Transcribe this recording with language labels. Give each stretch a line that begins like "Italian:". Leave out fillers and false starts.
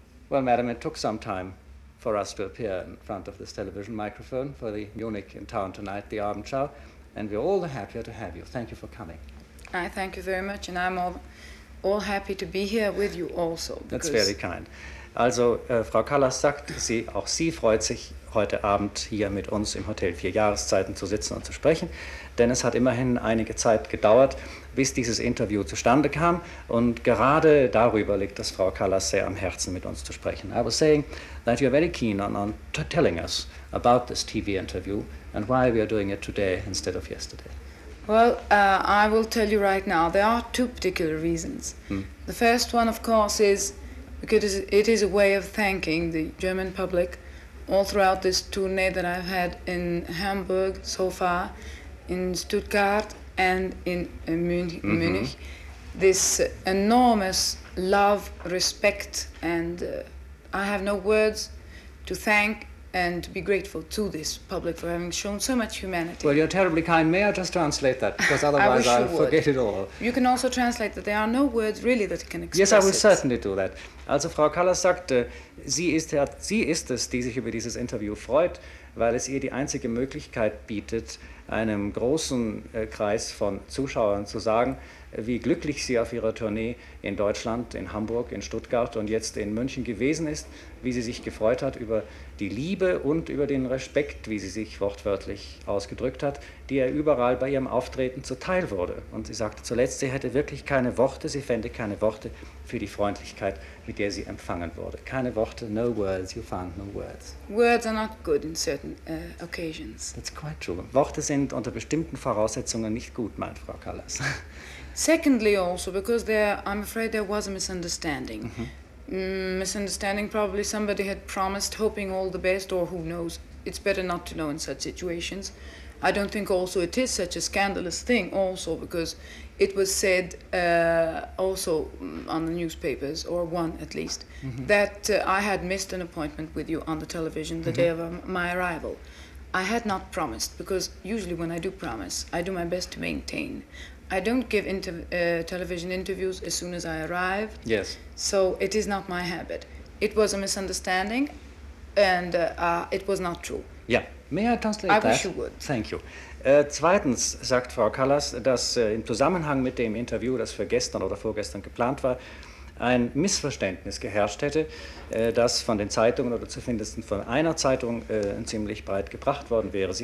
English: Well, madam, it took some time for us to appear in front of this television microphone for the eunuch in town tonight, the Abendschau, and we're all the happier to have you. Thank you for coming. I thank you very much, and I'm all happy to be here with you also. That's very kind.
German: Also, Frau Callas sagt, sie, auch sie freut sich, heute Abend hier mit uns im Hotel Vierjahreszeiten zu sitzen und zu sprechen, denn es hat immerhin einige Zeit gedauert, bis dieses Interview zustande kam, und gerade darüber liegt es Frau Callas sehr am Herzen, mit uns zu sprechen.
English: I was saying that you're very keen on telling us about this TV interview and why we are doing it today instead of yesterday. Well, I will tell you right now, there are two particular reasons. The first one, of course, is because it is a way of thanking the German public all throughout this tournée that I've had in Hamburg so far, in Stuttgart and in Munich. This enormous love, respect, and I have no words to thank and to be grateful to this public for having shown so much humanity. Well, you're terribly kind. May I just translate that? Because otherwise I'll forget it all. You can also translate that there are no words really that can express it. Yes, I will certainly do that.
German: Also, Frau Callas sagte, sie ist es, die sich über dieses Interview freut, weil es ihr die einzige Möglichkeit bietet, einem großen Kreis von Zuschauern zu sagen, wie glücklich sie auf ihrer Tournee in Deutschland, in Hamburg, in Stuttgart und jetzt in München gewesen ist, wie sie sich gefreut hat über die Liebe und über den Respekt, wie sie sich wortwörtlich ausgedrückt hat, die ihr überall bei ihrem Auftreten zuteil wurde. Und sie sagte zuletzt, sie hätte wirklich keine Worte, sie fände keine Worte für die Freundlichkeit, mit der sie empfangen wurde. Keine Worte,
English: no words, you found no words. Words are not good in certain occasions. That's quite true.
German: Worte sind unter bestimmten Voraussetzungen nicht gut, meint Frau Callas.
English: Secondly also, because I'm afraid there was a misunderstanding. Misunderstanding, probably somebody had promised, hoping all the best, or who knows. It's better not to know in such situations. I don't think also it is such a scandalous thing also, because it was said also on the newspapers, or one at least, that I had missed an appointment with you on the television the day of my arrival. I had not promised, because usually when I do promise, I do my best to maintain. I don't give television interviews as soon as I arrive. Yes. So it is not my habit. It was a misunderstanding, and it was not true. Yeah. May I translate that? I wish you would. Thank you.
German: Zweitens sagt Frau Callas, dass im Zusammenhang mit dem Interview, das für gestern oder vorgestern geplant war, ein Missverständnis geherrscht hätte, das von den Zeitungen oder zumindest von einer Zeitung ziemlich breit gebracht worden wäre.